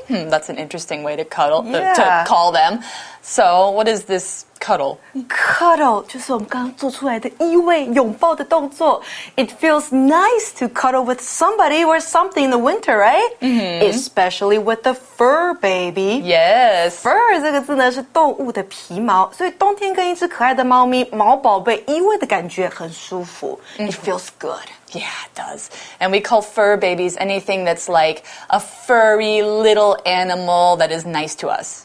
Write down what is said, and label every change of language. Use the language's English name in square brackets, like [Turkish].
[English] That's an interesting way to cuddle, to call them. So, what is this cuddle? [Chinese] Cuddle, 就是我们刚刚做出来的依偎拥抱的动作。 [English] It feels nice to cuddle with somebody or something in the winter, right? Mm-hmm. Especially with a fur baby. Yes. [Chinese] Fur 这个字呢是动物的皮毛，所以冬天跟一只可爱的猫咪毛宝贝依偎的感觉很舒服。 [English] It feels good. Yeah, it does. And we call fur babies anything that's like a furry little animal that is nice to us.